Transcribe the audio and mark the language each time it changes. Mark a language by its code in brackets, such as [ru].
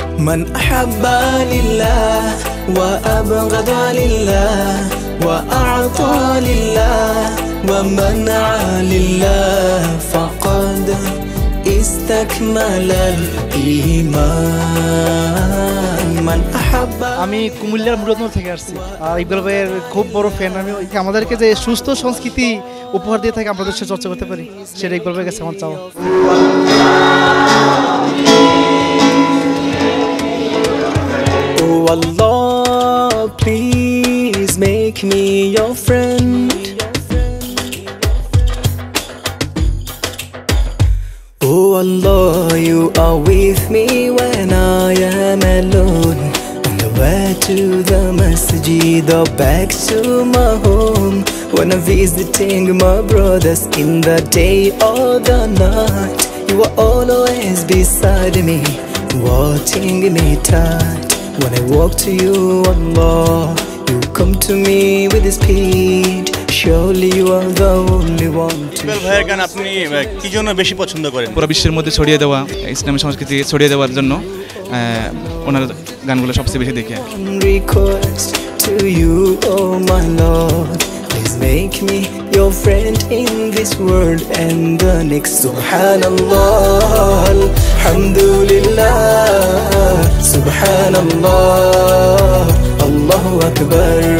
[ar] من أحب لله وأبغض لله وأعطى لله ومنع لله فقد استكمل الإيمان من أحب. [bn] আমি কুমিল্লার মুরাদনগর থেকে আসছি আর ইকবাল ভাইয়ের খুব বড় ফ্যান আমি। আমাদেরকে যে সুস্থ সংস্কৃতি উপহার দিয়ে থাকে আমরা সে চর্চা করতে পারি সেটা ইকবাল ভাইয়ের কাছে আমার [en] Oh Allah, please make me your friend. Oh Allah, you are with me when I am alone. On the way to the masjid or back to my home. When I'm visiting my brothers in the day or the night. You are always beside me, watching me tight. When I walk to you, Allah, you come to me with speed. Surely you are the only one to show. [bn] ভাইয়ের গান আপনি কি জন্য বেশি পছন্দ করেন? পুরো বিশ্বের মধ্যে ছড়িয়ে দেওয়া, ইসলামী সংস্কৃতি ছড়িয়ে দেওয়ার জন্য ওনার গানগুলো সবচেয়ে বেশি দেখি। [en] Request to you, oh my Lord, please make me your friend in this world and the next. [ar] Subhanallah, alhamdulillah. Subhanallah, Allahu Akbar.